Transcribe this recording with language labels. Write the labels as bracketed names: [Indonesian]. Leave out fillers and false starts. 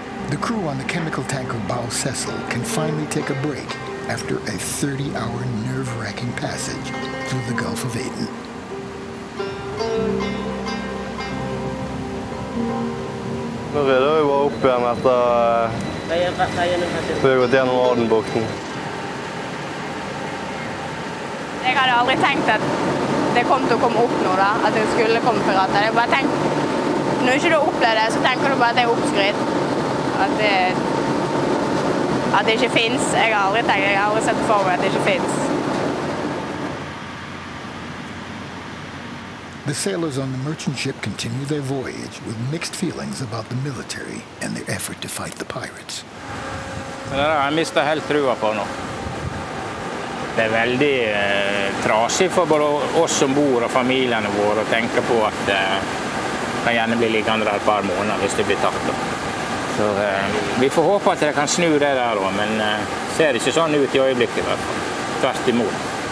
[English] The crew on the chemical tanker Bow Cecil can finally take a break after a 30-hour nerve-wracking passage through the Gulf of Aden. [Norwegian] Nå rydder vi bare opp igjen etter vi har gått gjennom Adenbukten. Jeg hadde aldri tenkt at det kom til å komme opp nå, at det skulle komme pirater. Jeg bare tenkte, når ikke du opplever det, så tenker du bare at det er oppskritt. At det ikke finnes. Jeg har aldri tenkt, jeg har aldri sett for meg at det ikke finnes. [English] The sailors on the merchant ship continue their voyage with mixed feelings about the military and their effort to fight the pirates. [Norwegian] Jeg mister helt trua på nå. Det er veldig trasig for både oss som bor og familiene våre å tenke på at det kan gjerne bli liggende der et par måneder hvis det blir tatt. Så vi får håpe at det kan snu det der, men ser ikke sånn ut i øyeblikket, tvert imot.